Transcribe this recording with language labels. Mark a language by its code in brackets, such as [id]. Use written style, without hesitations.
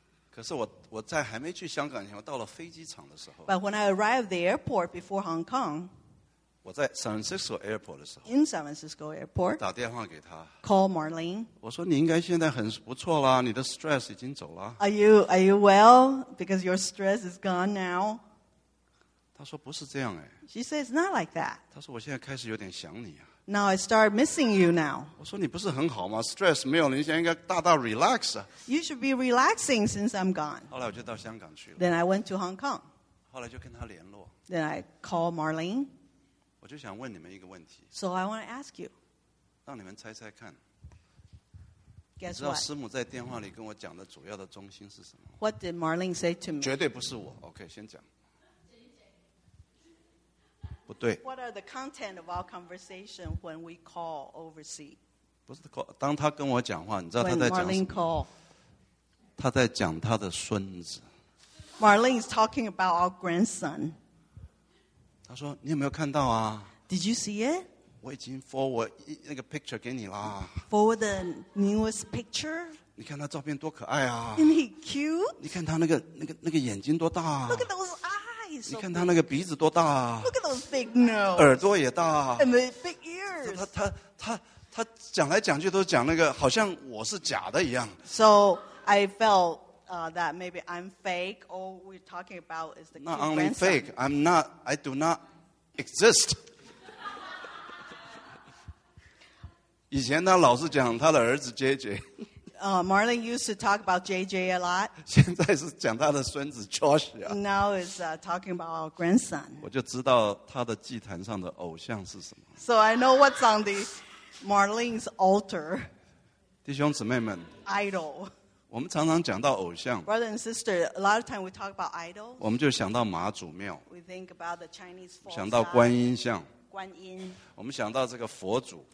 [zh] 可是我在还没去香港以前，我到了飞机场的时候。 [en] But when I arrived at the airport before Hong Kong. [zh] 我在 San Francisco Airport 的时候， [en] in San Francisco Airport， [zh] 打电话给他， [en] call Marlene， [zh] 我说你应该现在很不错啦，你的 stress 已经走了， [en] are you well because your stress is gone now， [zh] 他说不是这样哎， [en] she says not like that， [zh] 他说我现在开始有点想你啊， [en] now I start missing you now， [zh] 我说你不是很好吗， stress 没有了，你现在应该大大 relax 啊， [en] you should be relaxing since I'm gone， [zh] 后来我就到香港去了， [en] then I went to Hong Kong， [zh] 后来就跟他联络， [en] then I call Marlene。 [zh] 我就想问你们一个问题。 [en] So I want to ask you. [zh] 让你们猜猜看。 [en] Guess what? [zh] 你知道师母在电话里跟我讲的主要的中心是什么? [en] What did Marlene say to me? [zh] 绝对不是我。OK, 先讲。不对。 [en] What are the content of our conversation when we call overseas? [zh] 不是，当他跟我讲话, 你知道他在讲什么? [en] When Marlene call. [zh] 他在讲他的孙子。 [en] Marlene is talking about our grandson. [zh] 他说你有没有看到啊? [en] Did you see it? [zh] 我已经forward那个 picture 给你了。 [en] Forward the newest picture? [zh] 你看他照片多可爱啊。 [en] Isn't he cute? [zh] 你看他那个眼睛多大啊。 [en] Look at those eyes. [zh] 你看他那个鼻子多大啊。 [en] Look at those big nose. [zh] 耳朵也大啊。 [en] And the big ears. [zh] 他讲来讲去都讲那个好像我是假的一样。 [en] So I felt that maybe I'm fake, or we're talking about is the not only grandson. Fake. I'm not. I do not exist. [zh] 以前他老是讲他的儿子JJ. [en] Marlene used to talk about JJ a lot. [zh] 现在是讲他的孙子Josh. [en] Now is talking about our grandson. [zh] 我就知道他的祭坛上的偶像是什么。 [en] So I know what's on the Marlene's altar. [zh] 弟兄姊妹们。 [en] Idol. [zh] 我们常常讲到偶像， [en] Brother and sister, a lot of time we talk about idols. [zh] 我们就想到马祖庙， [en] we think about the Chinese [zh] form, 想到观音像，观音，我们想到这个佛祖，